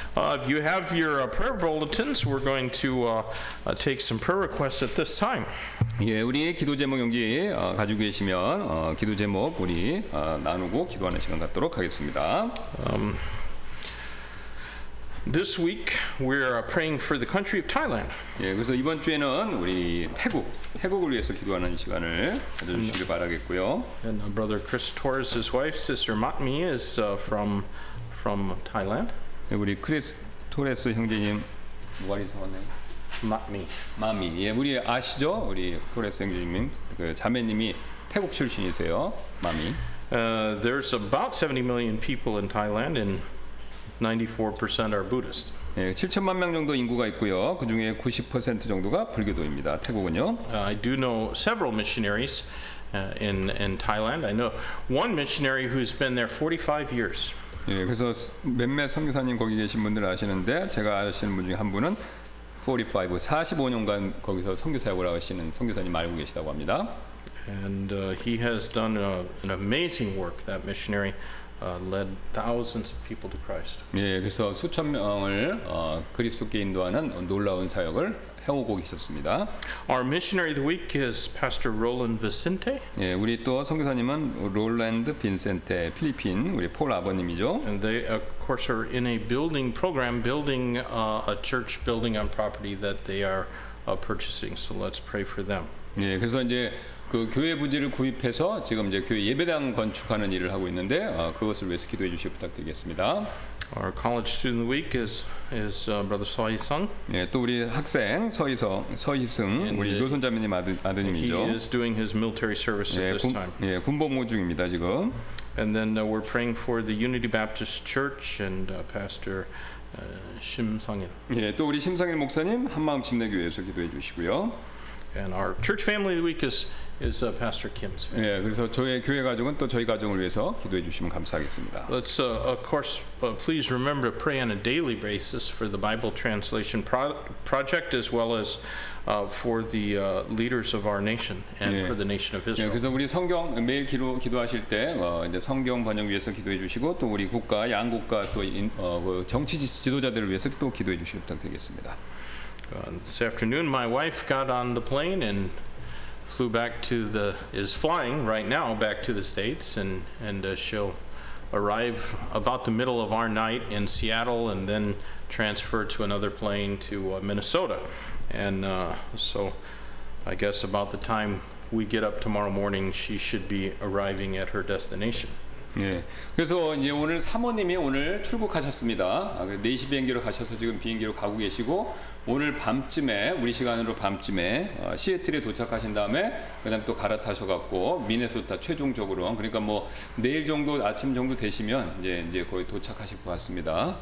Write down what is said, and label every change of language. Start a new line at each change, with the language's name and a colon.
English: If you have your prayer bulletins, we're going to take some prayer requests at this time.
Korean: 예, 우리 기도 제목 용기 가지고 계시면 기도 제목 우리 나누고 기도하는 시간 갖도록 하겠습니다.
English: This week we are praying for the country of Thailand.
Korean: 예, 그래서 이번 주에는 우리 태국을 위해서 기도하는 시간을 가져주시길 바라겠고요.
English: And Brother Chris Torres's wife, Sister Matmi, is from Thailand.
Korean: 예, 우리 크리스 토레스 형제님,
English: what is her name? Matmi. Matmi.
Korean: 예, 우리 아시죠, 우리 토레스 형제님, 그 자매님이 태국 출신이세요, Matmi.
English: There's about 70 million people in Thailand, and 94% are Buddhist.
Korean: 예, 7천만 명 정도 인구가 있고요. 그 중에 90% 정도가 불교도입니다. 태국은요.
English: I do know several missionaries in Thailand. I know one missionary who's been there 45 years.
Korean: 예, 그래서 몇몇 선교사님 거기 계신 분들 아시는데 제가 아시는 분 중에 한 분은 45년간 거기서 선교사역을 하시는 선교사님 알고 계시다고 합니다.
English: And he has done an amazing work, that missionary. Led thousands of people to Christ.
Korean: 예, 그래서 수천 명을 그리스도께 인도하는 놀라운 사역을 해오고 계셨습니다.
English: Our missionary of the week is Pastor Roland Vicente.
Korean: 예, 우리 또 선교사님은 롤랜드 빈센테, 필리핀 우리 폴 아버님이죠.
English: And they, of course, are in a building program, building a church building on property that they are purchasing. So let's pray for them.
Korean: 예, 그래서 이제 그 교회 부지를 구입해서 지금 이제 교회 예배당 건축하는 일을 하고 있는데 그것을 위해서 기도해 주시기 부탁드리겠습니다.
English: Our college student of the week is Brother So Hee-sung.
Korean: 예, 또 우리 학생 서희승 우리 노선자매님 아드님이죠.
English: He is doing his military service at this time.
Korean: 예, 군복무 중입니다 지금.
English: And then we're praying for the Unity Baptist Church and Pastor Shim Sung-in.
Korean: 예, 또 우리 심상일 목사님 한마음 침례교회 위해서 기도해 주시고요.
English: And our church family of the week is Pastor Kim's family.
Korean: 예, 그래서 저희 교회 가족은 또 저희 가족을 위해서 기도해 주시면 감사하겠습니다.
English: Let's, of course, please remember to pray on a daily basis for the Bible translation project as well as for the leaders of our nation and 예. For the nation of Israel.
Korean: 예, 그래서 우리 성경 매일 기도하실 때 이제 성경 번역 위해서 기도해 주시고 또 우리 국가 양국가 또 정치 지도자들을 위해서 또 기도해 주시기 부탁드리겠습니다.
English: This afternoon, my wife got on the plane and flew back to the is flying right now back to the States, and she'll arrive about the middle of our night in Seattle, and then transfer to another plane to Minnesota. So, I guess about the time we get up tomorrow morning, she should be arriving at her destination.
Korean: 예, 그래서 이제 오늘 사모님이 오늘 출국하셨습니다. 4시 비행기로 가셔서 지금 비행기로 가고 계시고 오늘 밤쯤에 우리 시간으로 밤쯤에 시애틀에 도착하신 다음에 그다음 또 갈아타셔 갖고 미네소타 최종적으로 그러니까 뭐 내일 정도 아침 정도 되시면 이제 거의 도착하실 것 같습니다.